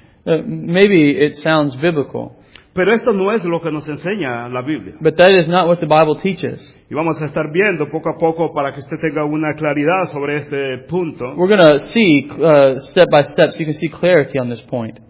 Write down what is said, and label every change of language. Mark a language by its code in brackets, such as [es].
[en] Maybe it sounds biblical. [es] Pero esto no es lo que nos enseña la Biblia. [en] But that is not what the Bible teaches. [es] Y vamos a estar viendo poco a poco para que usted tenga una claridad sobre este punto. [en] We're going to see step by step so you can see clarity on this point.